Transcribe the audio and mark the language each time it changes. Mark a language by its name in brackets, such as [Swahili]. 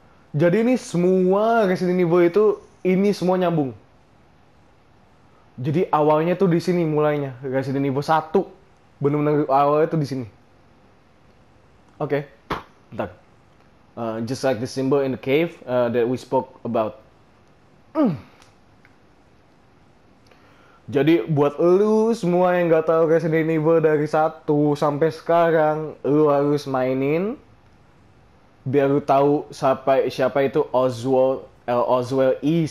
[Indonesian] Jadi ini semua Resident Evil itu, ini semua nyambung. Jadi awalnya tuh di sini mulainya. Resident Evil 1. Benar-benar awalnya tuh di sini. Oke. Okay. Bentar. [English] Just like the symbol in the cave that we spoke about. [Indonesian] Jadi buat lu semua yang gak tahu Resident Evil dari 1 sampai sekarang, lu harus mainin biar lu tahu siapa itu Oswald E.